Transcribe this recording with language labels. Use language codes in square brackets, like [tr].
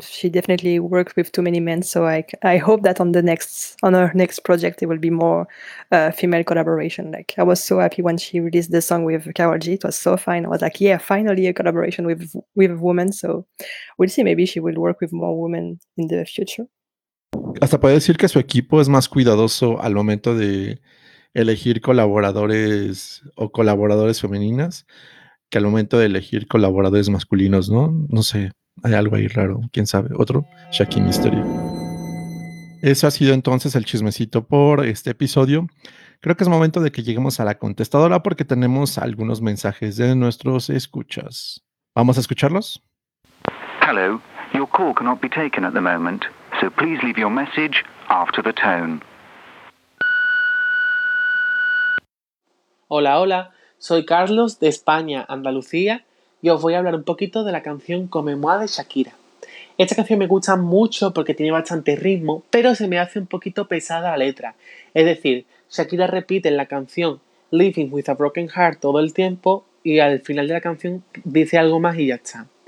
[en] She definitely worked with too many men. So I hope that on her next project, it will be more female collaboration. Like, I was so happy when she released the song with Karol G. It was so fine. I was like, yeah, finally a collaboration with a woman. So we'll see. Maybe she will work with more women in the future. [es] Hasta puede decir que su equipo es más cuidadoso al momento de elegir colaboradores o colaboradores femeninas que al momento de elegir colaboradores masculinos, ¿no? No sé. Hay algo ahí raro, quién sabe, otro Shaki Mystery. Eso ha sido entonces el chismecito por este episodio. Creo que es momento de que lleguemos a la contestadora porque tenemos algunos mensajes de nuestros escuchas. ¿Vamos a escucharlos? [en] Hello, your call cannot be taken at the moment, so please leave your message after the tone. [es] Hola, hola, soy Carlos de España, Andalucía. Y os voy a hablar un poquito de la canción Comemoa de Shakira. Esta canción me gusta mucho porque tiene bastante ritmo, pero se me hace un poquito pesada la letra. Es decir, Shakira repite en la canción [en] Living with a Broken Heart [es] todo el tiempo y al final de la canción dice algo más y ya está.